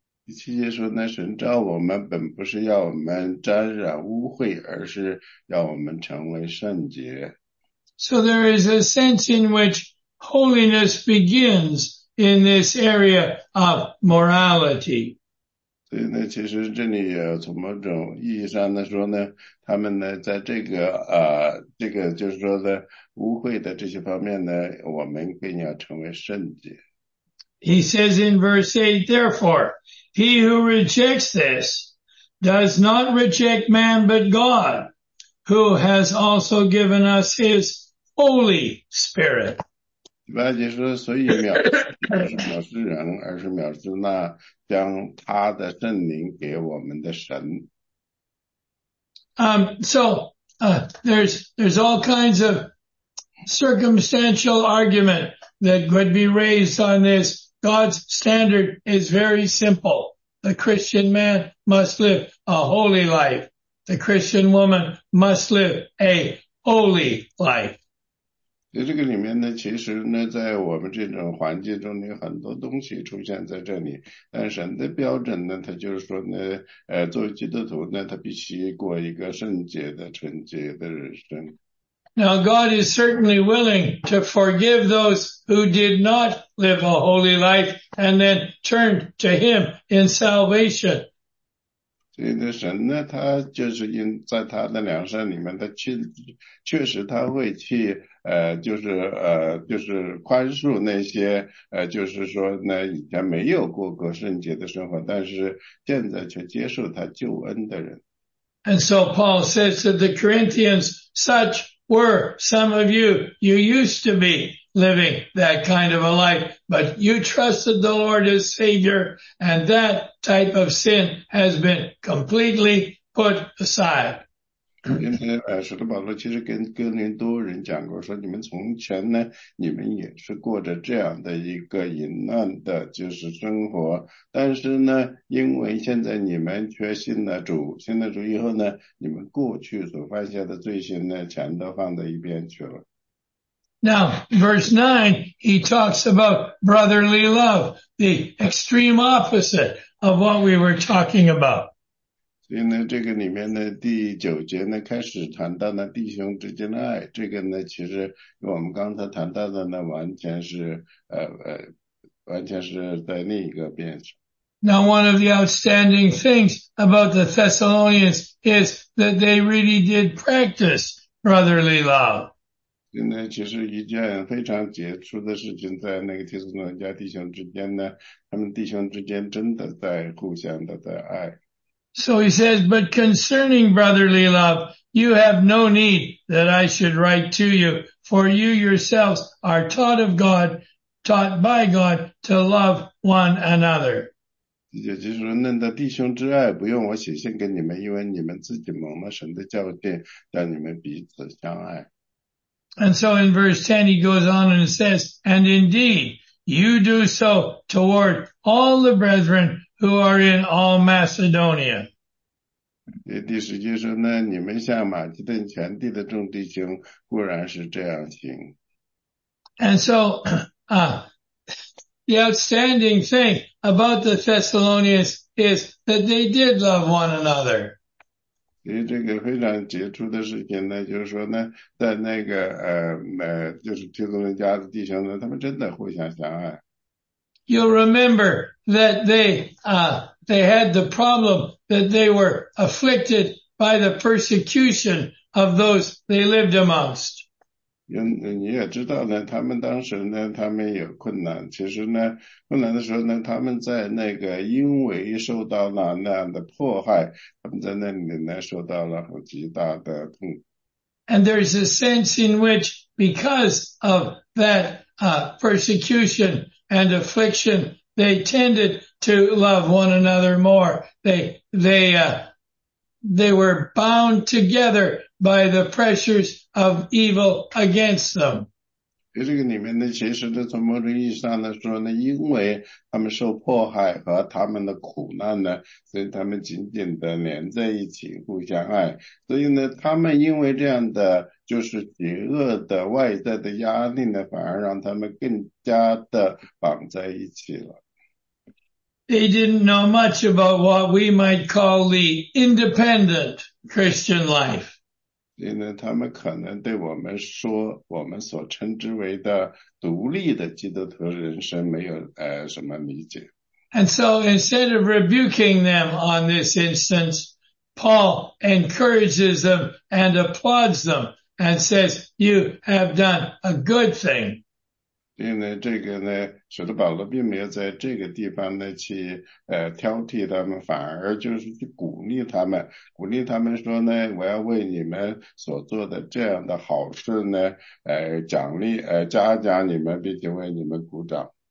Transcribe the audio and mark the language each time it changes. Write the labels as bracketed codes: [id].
[zh] 第七节说呢，神召我们本不是要我们沾染污秽，而是要我们成为圣洁。 [en] So there is a sense in which holiness begins in this area of morality. [zh] 所以呢，其实这里从某种意义上来说呢，他们呢在这个这个就是说的污秽的这些方面呢，我们更要成为圣洁。 [en] He says in verse 8, therefore, he who rejects this does not reject man but God, who has also given us his Holy Spirit. [zh] 一般就是所以藐视不是藐视人，而是藐视那将他的圣灵给我们的神。 [en] So there's all kinds of circumstantial argument that could be raised on this. God's standard is very simple. The Christian man must live a holy life. The Christian woman must live a holy life. [zh] 在这个里面呢，其实呢，在我们这种环境中呢，有很多东西出现在这里。但神的标准呢，他就是说呢，作为基督徒呢，他必须过一个圣洁的、纯洁的人生。 [en] Now, God is certainly willing to forgive those who did not live a holy life and then turn to Him in salvation. [zh] 所以呢，神呢，他就是因在他的良善里面，他确实他会去。就是宽恕那些就是说那以前没有过过圣洁的生活，但是现在却接受他救恩的人。 [en] And so Paul says to the Corinthians, such were some of you used to be living that kind of a life, but you trusted the Lord as Savior, and that type of sin has been completely put aside. [zh] 因为使徒保罗其实跟哥林多人讲过说，说你们从前呢，你们也是过着这样的一个淫乱的，就是生活。但是呢，因为现在你们却信了主，信了主以后呢，你们过去所犯下的罪行呢，全都放在一边去了。 [en] Now, verse 9, he talks about brotherly love, the extreme opposite of what we were talking about. [zh] 所以呢，这个里面的第九节呢，开始谈到了弟兄之间的爱。这个呢，其实我们刚才谈到的呢，完全是在另一个边上。 [en] Now, one of the outstanding things about the Thessalonians is that they really did practice brotherly love. [zh] 现在其实一件非常杰出的事情，在那个提斯诺家弟兄之间呢，他们弟兄之间真的在互相的在爱。 [en] So he says, but concerning brotherly love, you have no need that I should write to you, for you yourselves are taught of God, taught by God to love one another. [zh] 也就是说，论到弟兄之爱，不用我写信给你们，因为你们自己蒙了神的教训，让你们彼此相爱。 [en] And so in verse 10, he goes on and says, and indeed, you do so toward all the brethren who are in all Macedonia. [zh] 第10节说呢，你们向马其顿全地的众弟兄固然是这样行。 [en] And so, the outstanding thing about the Thessalonians is that they did love one another. [zh] 所以这个非常杰出的事情呢，就是说呢，在那个就是提多人家的弟兄呢，他们真的互相相爱。 [en] You'll remember that they had the problem that they were afflicted by the persecution of those they lived amongst. [zh] 你也知道呢，他们当时呢，他们有困难。其实呢，困难的时候呢，他们在那个因为受到了那样的迫害，他们在那里呢受到了很极大的痛。 [en] And there's a sense in which, because of that persecution and affliction, they tended to love one another more. They were bound together by the pressures of evil against them. [zh] 在这个里面呢，其实呢，从某种意义上来说呢，因为他们受迫害和他们的苦难呢，所以他们紧紧的连在一起，互相爱。所以呢，他们因为这样的就是邪恶的外在的压力呢，反而让他们更加的绑在一起了。 [en] They didn't know much about what we might call the independent Christian life. [zh] 因为他们可能对我们说，我们所称之为的独立的基督徒人生没有什么理解。 [en] And so instead of rebuking them on this instance, Paul encourages them and applauds them and says, "You have done a good thing." [zh] 因为这个呢，使徒保罗并没有在这个地方呢去挑剔他们，反而就是去鼓励他们，鼓励他们说呢，我要为你们所做的这样的好事呢，奖励嘉奖你们，并且为你们鼓掌。